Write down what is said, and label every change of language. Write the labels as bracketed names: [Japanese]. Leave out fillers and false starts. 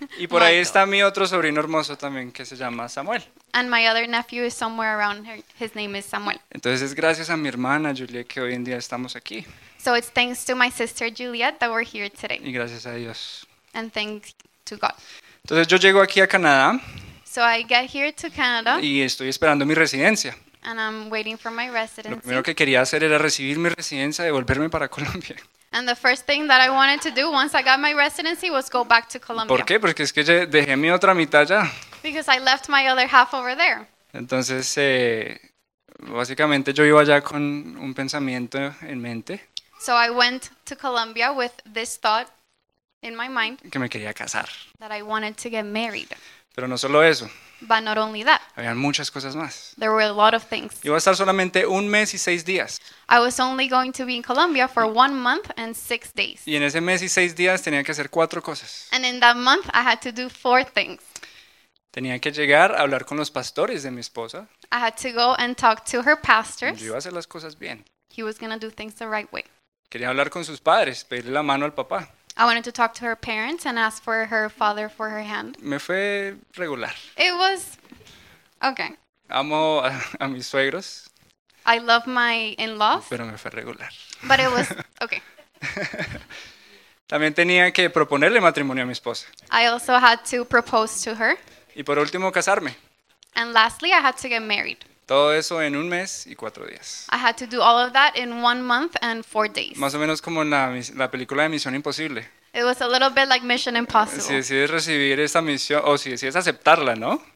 [Spanish] Y por Michael. Ahí está mi otro sobrino hermoso también que se llama Samuel. [English] And my other nephew is somewhere around here. His name is Samuel. [Spanish] Entonces es gracias a mi hermana Juliet que hoy en día estamos aquí. [English] So it's thanks to my sister Juliet that we're here today. [Spanish] Y gracias a Dios. [English] And thanks to God. [Spanish] Entonces yo llego aquí a Canadá. [English] So I get here to Canada. [Spanish] Y estoy esperando mi residencia. [English] And I'm waiting for my residency. [Spanish] Lo primero que quería hacer era recibir mi residencia y devolverme para Colombia. [English] And the first thing that I wanted to do once I got my residency was go back to Colombia. [Spanish] ¿Por qué? Porque es que dejé mi otra mitad ya. [English] Because I left my other half over there. [Spanish] Entonces, básicamente yo iba allá con un pensamiento en mente. [English] So I went to Colombia with this thought in my mind. [Spanish] Que me quería casar. [English] That I wanted to get married. [Spanish] Pero no solo eso. [English] But not only that. [Spanish] Habían muchas cosas más. [English] There were a lot of things. [Spanish] Iba a estar solamente 1 mes y 6 días. [English] I was only going to be in Colombia for 1 month and 6 days. [Spanish] Y en ese mes y 6 días tenía que hacer 4 cosas. [English] And in that month I had to do 4 things. [Spanish] Tenía que llegar a hablar con los pastores de mi esposa. [English] I had to go and talk to her pastors. [Spanish] Yo iba a hacer las cosas bien. [English] He was going to do things the right way. [Spanish] Quería hablar con sus padres, pedirle la mano al papá. [English] I wanted to talk to her parents and ask for her father for her hand. [Spanish] Me fue regular. [English] It was okay. [Spanish] Amo a mis suegros. [English] I love my in-laws. [Spanish] Pero me fue regular. [English] But it was okay. [Spanish] También tenía que proponerle matrimonio a mi esposa. [English] I also had to propose to her. [Spanish] Y por último, casarme. [English] And lastly, I had to get married. [Spanish] Todo eso en 1 mes y 4 días. [English] I had to do all of that in 1 month and 4 days. [Spanish] Más o menos como en la película de Misión Imposible. [English] It was a little bit like Mission Impossible. [Spanish] Si decides recibir esta misión, o si decides aceptarla, ¿no?